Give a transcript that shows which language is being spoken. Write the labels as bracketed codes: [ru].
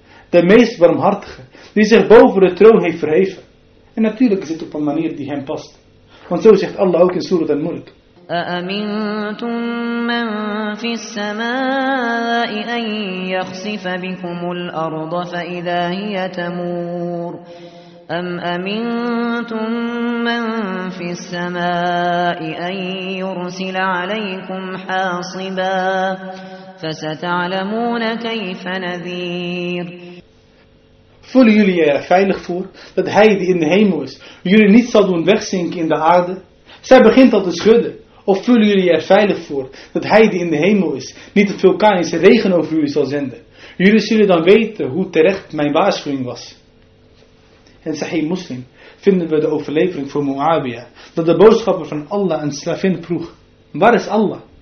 [nl] De meest barmhartige, die zich boven de troon heeft verheven. En natuurlijk is het op een manier die hem past. Want zo zegt Allah ook in Surah Al-Mulk. [ar] أأمنتم من في السماء أن يخسف بكم الأرض فإذا هي تمور أم أمنتم من في السماء أن يرسل عليكم حاصبا فستعلمون كيف نذير. [nl] Voelen jullie er veilig voor dat hij die in de hemel is jullie niet zal doen wegzinken in de aarde? Zij begint al te schudden. Of voelen jullie er veilig voor dat hij die in de hemel is niet het vulkanische regen over jullie zal zenden? Jullie zullen dan weten hoe terecht mijn waarschuwing was. En Sahih Muslim vinden we de overlevering voor Muawiyah dat de boodschapper van Allah een slavin vroeg: waar is Allah?